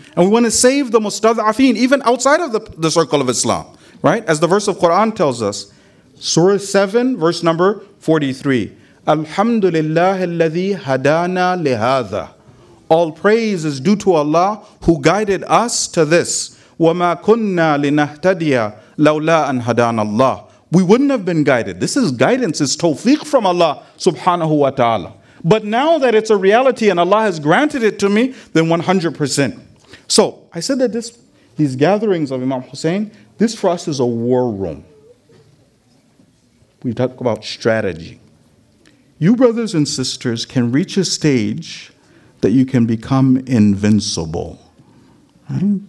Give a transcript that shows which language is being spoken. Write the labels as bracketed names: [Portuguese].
[English] And we want to save the mustadha'afin, even outside of the circle of Islam. Right? As the verse of Quran tells us, Surah 7, verse number 43. [Arabic] Alhamdulillah alladhi hadana lihada. [English] All praise is due to Allah who guided us to this. [Arabic] وَمَا كُنَّا لِنَهْتَدِيَ لَوْلَا أَنْ هَدَانَ اللَّهِ [English] We wouldn't have been guided. This is guidance, it's tawfiq from Allah subhanahu wa ta'ala. But now that it's a reality and Allah has granted it to me, then 100%. So, I said that these gatherings of Imam Hussein, this for us is a war room. We talk about strategy. You brothers and sisters can reach a stage that you can become invincible. Right?